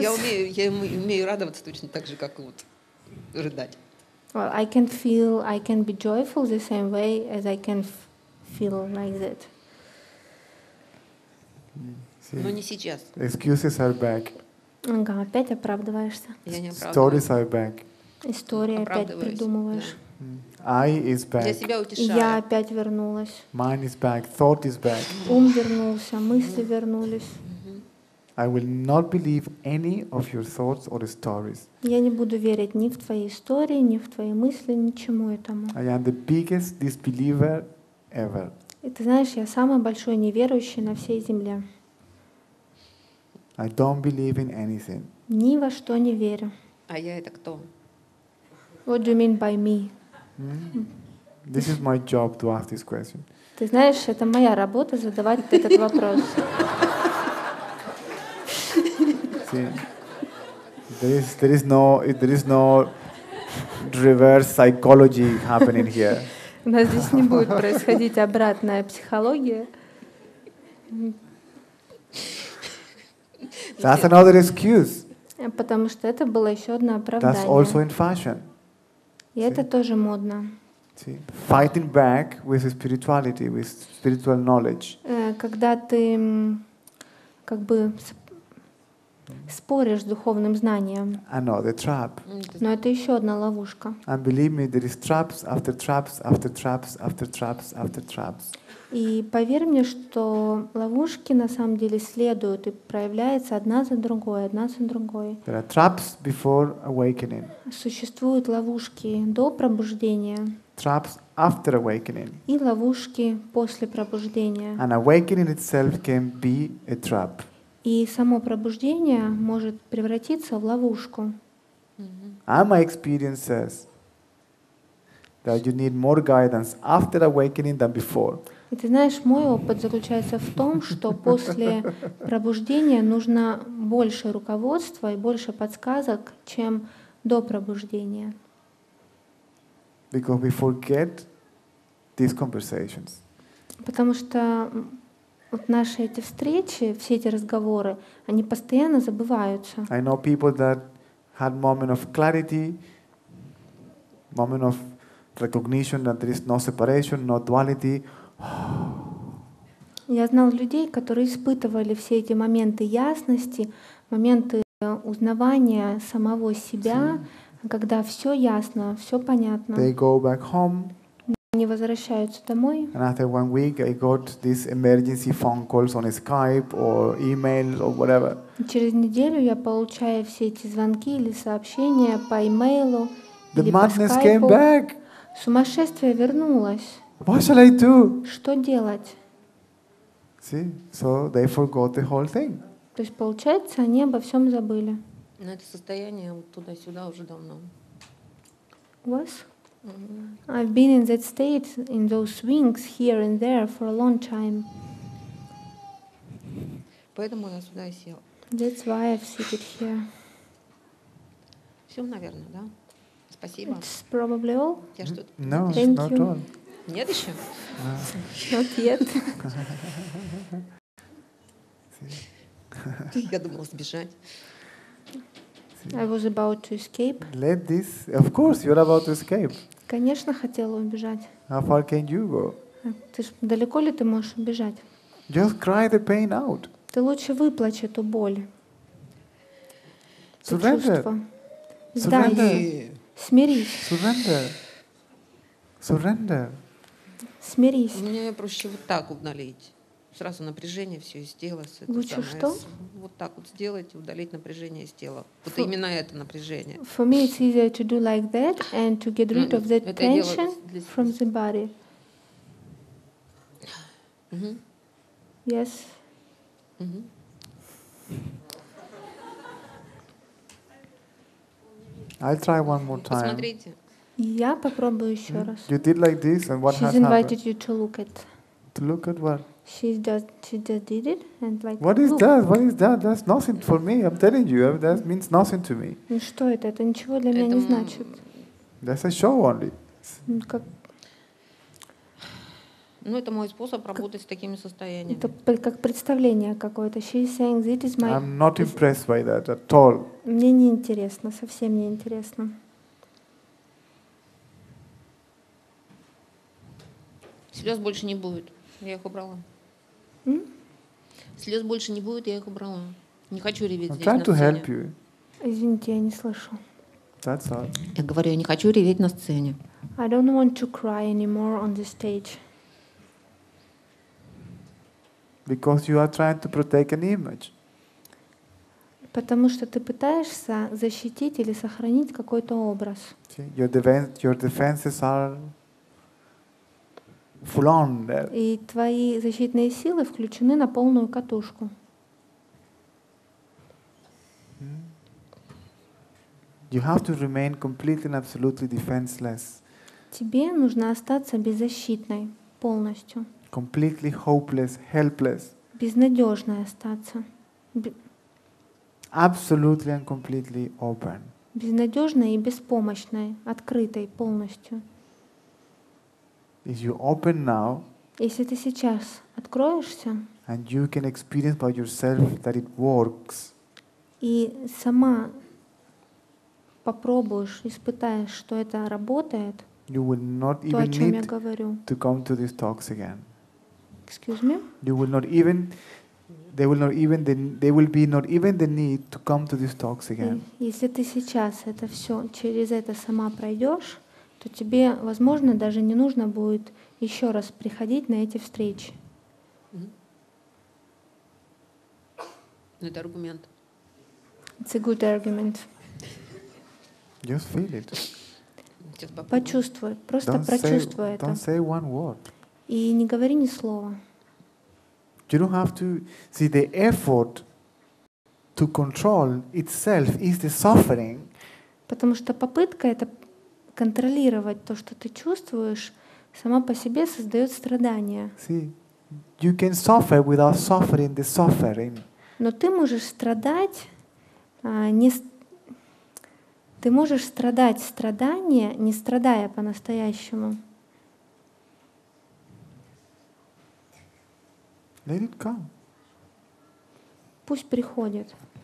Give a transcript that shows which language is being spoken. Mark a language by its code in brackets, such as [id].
[ru] Я умею радоваться точно так же, как вот рыдать. [en] Well, I can feel, I can be joyful the same way as I can feel like that. [ru] Но не сейчас. [en] Excuses are back. [ru] Ага, опять оправдываешься. Я не оправдываюсь. [en] Stories are back. [ru] История опять придумываешь. Да. [en] I is back. [ru] Я себя утешаю. Я опять вернулась. [en] Mind is back. Thought is back. [ru] Ум вернулся, мысли вернулись. [en] I will not believe any of your thoughts or stories. [ru] Я не буду верить ни в твои истории, ни в твои мысли, ничему этому. [en] I am the biggest disbeliever ever. [ru] И ты знаешь, я самый большой неверующий на всей земле. [en] I don't believe in anything. [ru] Ни во что не верю. А я это кто? [en] What do you mean by me? This is my job to ask this question. [ru] Ты знаешь, это моя работа задавать этот вопрос. [en] There is no reverse psychology happening here. [ru] У нас здесь не будет происходить обратная психология. [en] That's another excuse. [ru] Потому что это было еще одно оправдание. [en] That's also in fashion. [ru] И это тоже модно. [en] Fighting back with spirituality, with spiritual knowledge. [ru] Когда ты как бы споришь с духовным знанием. [en] I know, the trap. [ru] Но это еще одна ловушка. [en] And believe me, there is traps after traps after traps after traps after traps. [ru] И поверь мне, что ловушки на самом деле следуют и проявляются одна за другой, одна за другой. [en] There are traps before awakening. [ru] Существуют ловушки до пробуждения. [en] Traps after awakening. [ru] И ловушки после пробуждения. [en] And awakening itself can be a trap. [ru] И само пробуждение может превратиться в ловушку. [en] And my experience says that you need more guidance after awakening than before. [ru] И ты знаешь, мой опыт заключается в том, что после пробуждения нужно больше руководства и больше подсказок, чем до пробуждения. [en] Because we forget these conversations. [ru] Потому что вот наши эти встречи, все эти разговоры, они постоянно забываются. [en] I know people that had moment of clarity, moment of recognition that there is no separation, no duality. [ru] Я знал людей, которые испытывали все эти моменты ясности, моменты узнавания самого себя, когда все ясно, все понятно. [en] They go back home. [ru] Они возвращаются домой. [en] And after 1 week, I got these emergency phone calls on Skype or email or whatever. [ru] Через неделю я получаю все эти звонки или сообщения по имейлу или по Skype. [en] The madness came back. [ru] Сумасшествие вернулось. [en] What shall I do? [ru] Что делать? [en] See, so they forgot the whole thing. [ru] То есть получается, они обо всем забыли. Но это состояние вот туда-сюда уже давно. [en] What? I've been in that state, in those swings here and there for a long time. [ru] Поэтому я сюда и сел. [en] That's why I've seated here. [ru] Все, наверное, да? Спасибо. [en] It's probably all. [ru] Я что-то... [en] No, thank not you. All. [ru] Нет еще? [en] Not yet. [ru] Я думала сбежать. [en] I was about to escape. Let this. Of course, you're about to escape. [ru] Конечно, хотела убежать. [en] How far can you go? [ru] Ты ж далеко ли ты можешь убежать? [en] Just cry the pain out. [ru] Ты лучше выплачь эту боль. [en] Surrender. [ru] Сдайся. Смирись. [en] Surrender. Surrender. [ru] Смирись. Мне проще вот так удалить. Сразу напряжение все из тела. Лучше что? Вот так вот сделать, удалить напряжение из тела. Вот именно это напряжение. [en] For me it's easier to do like that and to get rid of that tension from the body. Yes. I'll try one more time. [ru] Я попробую еще раз. [en] You did like this, and what happened? She's invited you to look at. To look at what? She just did it, and like. What is that? What is that? That's nothing for me. I'm telling you, that means nothing to me. [ru] Ну что это? Это ничего для меня не значит. [en] That's a show only. [ru] Как? Ну это мой способ работать с такими состояниями. Это как представление какое-то. [en] She's saying this is my. I'm not impressed by that at all. [ru] Мне не интересно, совсем не интересно. Слез больше не будет. Я их убрала. Слез больше не будет, я их убрала. Не хочу реветь здесь на сцене. [en] To help you. [ru] Извините, я не слышу. [en] That's all. [ru] Я говорю, я не хочу реветь на сцене. [en] I don't want to cry anymore on the stage. Because you are trying to protect an image. [ru] Потому что ты пытаешься защитить или сохранить какой-то образ. [en] Your defenses are full on. [ru] И твои защитные силы включены на полную катушку. [en] You have to remain completely and absolutely defenseless. [ru] Тебе нужно остаться беззащитной полностью. [en] Completely hopeless, helpless. [ru] Безнадежной остаться. [en] Absolutely and completely open. [ru] Безнадежной и беспомощной, открытой полностью. [en] If you open now, [ru] если ты сейчас откроешься, [en] and you can experience by yourself that it works, [ru] и сама попробуешь, испытаешь, что это работает, [en] you will not [ru] то, [en] even [ru] о чем [en] need [ru] я говорю, [en] to come to these talks again. Excuse me? You will not even, they will not even, the, they will be not even the need to come to these talks again. [ru] Если ты сейчас это все через это сама пройдешь, то тебе, возможно, даже не нужно будет еще раз приходить на эти встречи. Это аргумент. [en] It's a good argument. Just feel it. [ru] Почувствуй, просто [en] don't [ru] прочувствуй [en] say, [ru] это. [en] Don't say one word. [ru] И не говори ни слова. [en] You don't have to see the effort to control itself is the suffering. [ru] Потому что попытка это контролировать то, что ты чувствуешь, сама по себе создает страдания. [en] See, you can suffer without suffering the suffering. [ru] Но ты можешь страдать, ты можешь страдать страдания, не страдая по-настоящему. [en] Let it come. [ru] Пусть приходит.